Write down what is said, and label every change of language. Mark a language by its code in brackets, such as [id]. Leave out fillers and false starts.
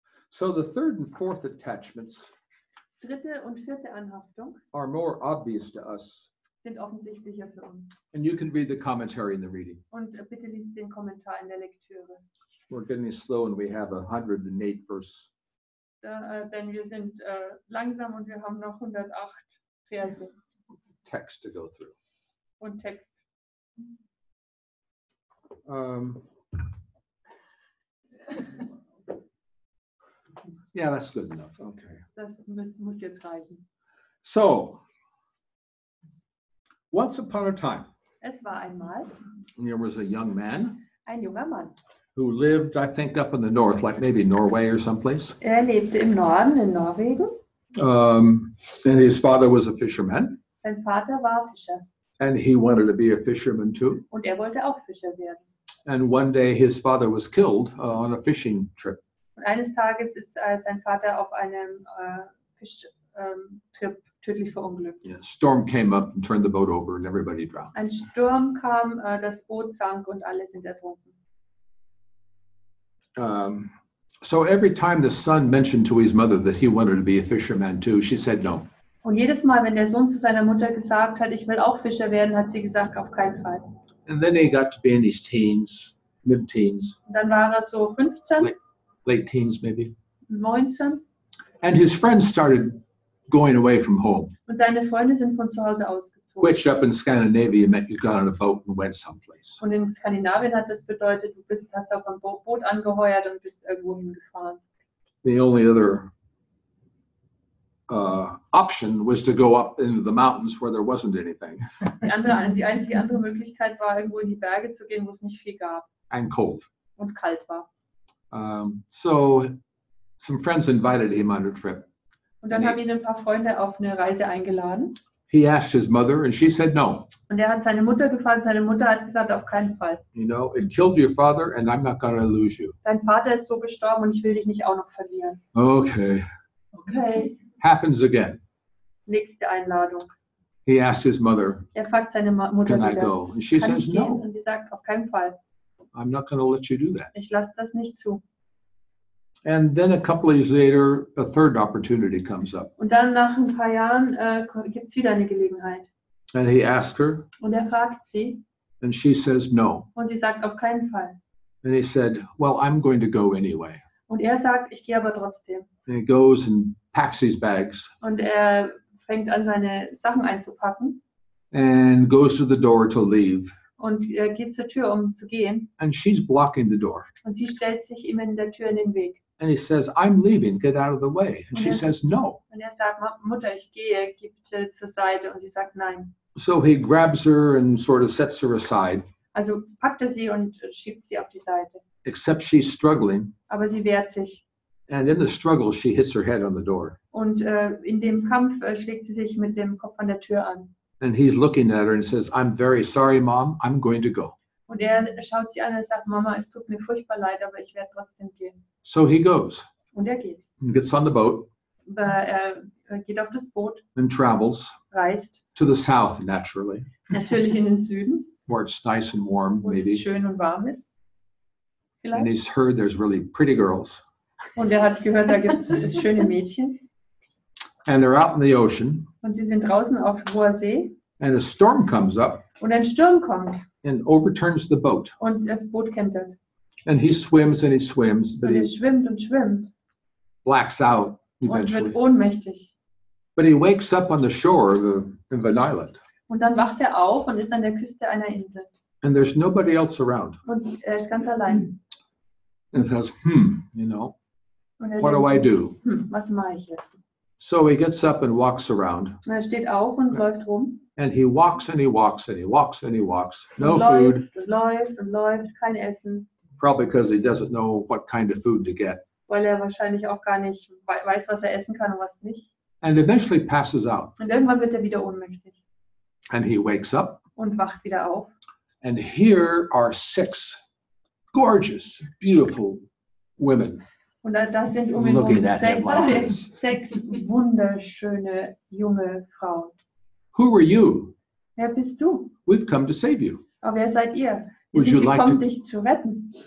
[en] So the third and fourth attachments [de] dritte und vierte Anhaftung [en] are more obvious to us. [de] Sind offensichtlicher für uns. [en] And you can read the commentary in the reading. [de] Und bitte liest den Kommentar in der Lektüre. [en] We're getting slow and we have 108 verse. [de] Denn wir sind langsam und wir haben noch 108 Verse. [en] Text to go through. [de] Und Text. [en] Yeah, that's good enough. Okay. [de] Das muss jetzt reichen. [en] So, once upon a time, [de] es war einmal, [en] there was a young man, [de] ein junger Mann, [en] who lived, I think, up in the north, like maybe Norway or someplace. [de] Er lebte im Norden, in Norwegen. [en] And his father was a fisherman. [de] Sein Vater war Fischer. [en] And he wanted to be a fisherman too. [de] Und er wollte auch Fischer werden. [en] And one day his father was killed on a fishing trip. [de] Und eines Tages ist sein Vater auf einem Fischtrip tödlich verunglückt. [en] Yeah, storm came up and turned the boat over and everybody drowned. [de] Ein Sturm kam, das Boot sank und alle sind ertrunken. [en] So every time the son mentioned to his mother that he wanted to be a fisherman too, she said no. [de] Und jedes Mal, wenn der Sohn zu seiner Mutter gesagt hat, ich will auch Fischer werden, hat sie gesagt, auf keinen Fall. [en] And then he got to be in his teens, mid-teens. [de] Und dann war er so 15. [en] Late teens, maybe. [de] 19. [en] And his friends started going away from home. [de] Und seine Freunde sind von zu Hause ausgezogen. [en] Which up in Scandinavia meant you got on a boat and went someplace. [de] Und in Skandinavien hat das bedeutet, du bist, hast auf ein Boot angeheuert und bist irgendwo hingefahren. [en] The only other option was to go up into the mountains where there wasn't anything. [de] Die einzige andere Möglichkeit war, irgendwo in die Berge zu gehen, wo es nicht viel gab. [en] And cold. [de] Und kalt war. [en] So some friends invited him on a trip. [de] Und dann haben ihn ein paar Freunde auf eine Reise eingeladen. [en] He asked his mother and she said no. [de] Und er hat seine Mutter gefragt, seine Mutter hat gesagt, auf keinen Fall. [en] You know, it killed your father and I'm not gonna lose you. [de] Dein Vater ist so gestorben und ich will dich nicht auch noch verlieren. [en] Okay. [de] Okay. [en] Happens again. [de] Nächste Einladung. [en] He asks his mother, [de] fragt seine Mutter, [en] can I go? And she says, no. [de] Und sie sagt, auf keinen Fall. [en] I'm not going to let you do that. [de] Ich lasse das nicht zu. [en] And then a couple of years later, a third opportunity comes up. [de] Und dann nach ein paar Jahren gibt's wieder eine Gelegenheit. [en] And he asks her. [de] Und fragt sie. [en] And she says, no. [de] Und sie sagt, auf keinen Fall. [en] And he said, well, I'm going to go anyway. [de] Und sagt, ich gehe aber trotzdem. [en] And he goes and packs his bags. [de] Und fängt an, seine Sachen einzupacken. [en] And goes to the door to leave. [de] Und geht zur Tür, zu gehen. [en] And she's blocking the door. [de] Und sie stellt sich ihm in der Tür in den Weg. [en] And he says, I'm leaving, get out of the way. And she says, no. [de] Und sagt, Mutter, ich gehe, gib sie zur Seite. Und sie sagt, nein. [en] So he grabs her and sort of sets her aside. [de] Also packt sie und schiebt sie auf die Seite. [en] Except she's struggling. [de] Aber sie wehrt sich. [en] And in the struggle, she hits her head on the door. [de] Und in dem Kampf schlägt sie sich mit dem Kopf an der Tür an. [en] And he's looking at her and says, I'm very sorry, Mom, I'm going to go. [de] Und schaut sie an und sagt, Mama, es tut mir furchtbar leid, aber ich werde trotzdem gehen. [en] So he goes. [de] Und geht. [en] And gets on the boat. [de] But er geht auf das Boot. [en] And travels. [de] Reist. [en] To the south, naturally. [de] Natürlich in den Süden. [en] Where it's nice and warm, maybe. [de] Wo es schön und warm ist. Vielleicht. [en] And he's heard there's really pretty girls. [de] Und hat gehört, da gibt's schöne Mädchen. [en] And they're out in the ocean. [de] Und sie sind draußen auf hoher See. [en] And a storm comes up. [de] Und ein Sturm kommt. [en] And overturns the boat. [de] Und das Boot kentert. [en] And he swims and he swims. [de] Und schwimmt und schwimmt. [en] Blacks out eventually. [de] Und wird ohnmächtig. [en] But he wakes up on the shore of an island. [de] Und dann wacht auf und ist an der Küste einer Insel. [en] And there's nobody else around. [de] Und ist ganz allein. [en] And says, you know, what do I do? [de] Was mache ich jetzt? [en] So he gets up and walks around. [de] Er steht auf und läuft rum. [en] And he walks and he walks and he walks and he walks. No [de] läuft, [en] food. [de] Läuft und läuft, kein Essen. [en] Probably because he doesn't know what kind of food to get. [de] Weil wahrscheinlich auch gar nicht weiß, was essen kann und was nicht. [en] And eventually passes out. [de] Und irgendwann wird wieder ohnmächtig. [en] And he wakes up. [de] Und wacht wieder auf. [en] And here are six gorgeous, beautiful women. [de] Und da sind um ihn herum sechs wunderschöne junge Frauen. [en] Who are you? [de] Wer bist du? [en] We've come to save you. [de] Aber wer seid ihr? Wir sind gekommen, dich zu retten.